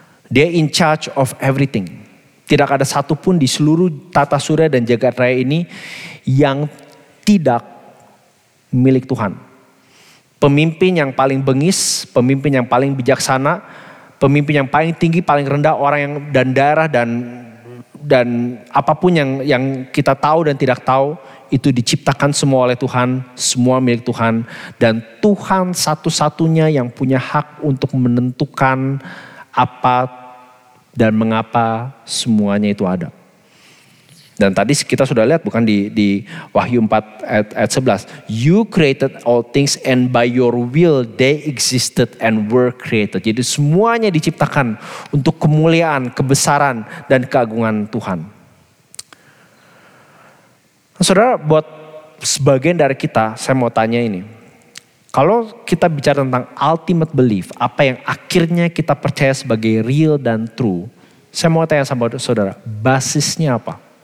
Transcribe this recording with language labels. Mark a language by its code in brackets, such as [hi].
[en] Dia in charge of everything. [id] Tidak ada satupun di seluruh tata surya dan jagat raya ini yang tidak milik Tuhan. Pemimpin yang paling bengis, pemimpin yang paling bijaksana, pemimpin yang paling tinggi, paling rendah, orang yang dan daerah dan apapun yang kita tahu dan tidak tahu, itu diciptakan semua oleh Tuhan, semua milik Tuhan. Dan Tuhan satu-satunya yang punya hak untuk menentukan apa dan mengapa semuanya itu ada. Dan tadi kita sudah lihat bukan di Wahyu 4 ayat 11. [en] You created all things and by your will they existed and were created. [id] Jadi semuanya diciptakan untuk kemuliaan, kebesaran dan keagungan Tuhan. Nah, saudara, buat sebagian dari kita, saya mau tanya ini. Kalau kita bicara tentang [en] ultimate belief, [id] apa yang akhirnya kita percaya sebagai real dan true, saya mau tanya sama saudara, basisnya apa?